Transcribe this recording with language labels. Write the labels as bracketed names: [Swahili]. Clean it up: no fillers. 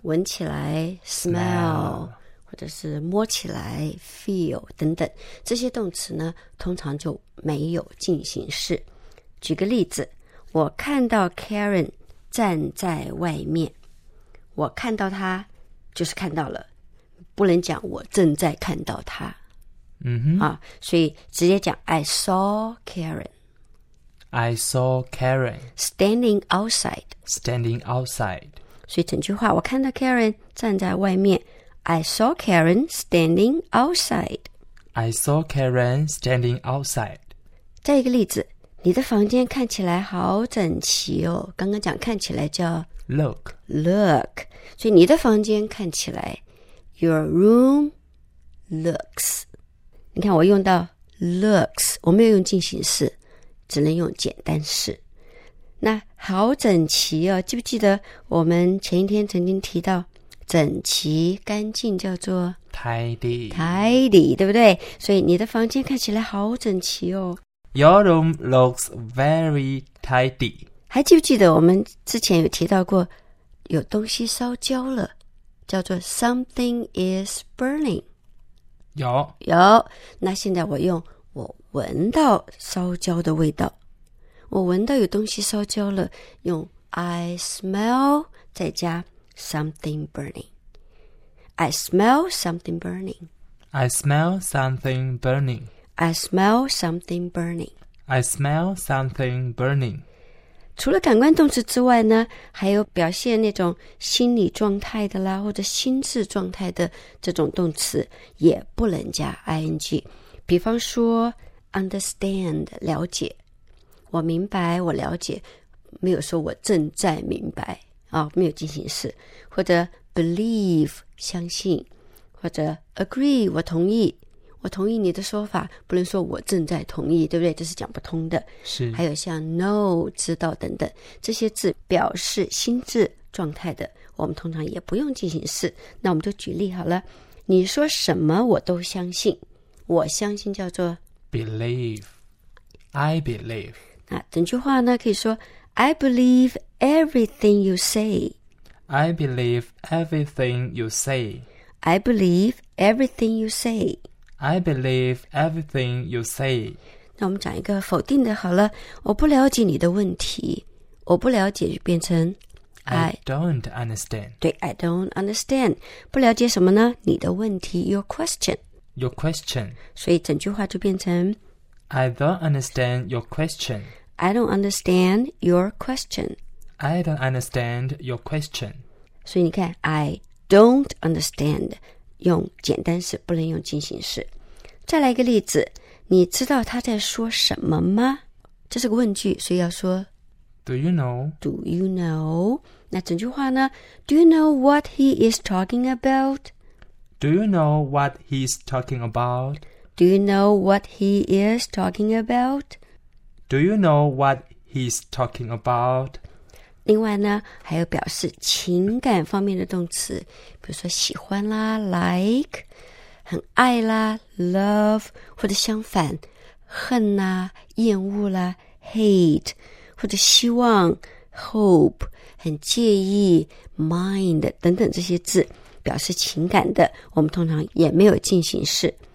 [Chinese] 闻起来 smell 或者是摸起来 feel 等等这些动词呢通常就没有进行式举个例子我看到 Karen 站在外面我看到她就是看到了不能讲我正在看到她、 mm-hmm. 啊、所以直接讲 [English] I saw Karen I saw Karen standing outside standing outside [Chinese] 所以整句话我看到 Karen 站在外面 [English] I saw Karen standing outside I saw Karen standing outside [Chinese] 再一个例子你的房间看起来好整齐哦刚刚讲看起来叫 [English] Look [Chinese] Look 所以你的房间看起来 [English] Your room looks [Chinese] 你看我用到 looks 我没有用进行式只能用简单式那好整齐哦记不记得我们前一天曾经提到整齐干净叫做 [English] tidy [Chinese] tidy 对不对所以你的房间看起来好整齐哦 [English] Your room looks very tidy [Chinese] 还记不记得我们之前有提到过有东西烧焦了叫做 [English] something is burning [Chinese] 有那现在我用我闻到烧焦的味道我闻到有东西烧焦了用 [English] I smell [Chinese] 再加 [English] something burning I smell something burning I smell something burning I smell something burning I smell something burning [Chinese] 除了感官动词之外呢还有表现那种心理状态的啦或者心智状态的这种动词也不能加 ing 比方说 understand 了解我明白我了解没有说我正在明白、哦、没有进行式或者 believe 相信或者 agree 我同意你的说法不能说我正在同意对不对这是讲不通的是还有像 know 知道等等这些字表示心智状态的我们通常也不用进行式那我们就举例好了你说什么我都相信我相信叫做 [English] believe I believe [Chinese] 那整句话呢可以说 [English] I believe everything you say I believe everything you say I believe everything you say I believe everything you say [Chinese] 那我们讲一个否定的好了我不了解你的问题我不了解就变成 [English] I don't understand [Chinese] 对 [English] I don't understand [Chinese] 不了解什么呢你的问题 [English] Your question Your question [Chinese] 所以整句话就变成 [English] I don't understand your question. I don't understand your question. I don't understand your question. [Chinese] 所以你看 [English] I don't understand [Chinese] 用简单式不能用进行式。再来一个例子你知道他在说什么吗这是个问句所以要说 [English] Do you know? Do you know? [Chinese] 那整句话呢 [English] Do you know what he is talking about? Do you know what he is talking about? Do you know what he is talking about? Do you know what he's talking about? [Chinese] 另外呢，还有表示情感方面的动词，比如说喜欢啦 ，like， 很爱啦 ，love， 或者相反，恨啦，厌恶啦 ，hate， 或者希望 ，hope， 很介意 ，mind 等等这些字表示情感的，我们通常也没有进行式。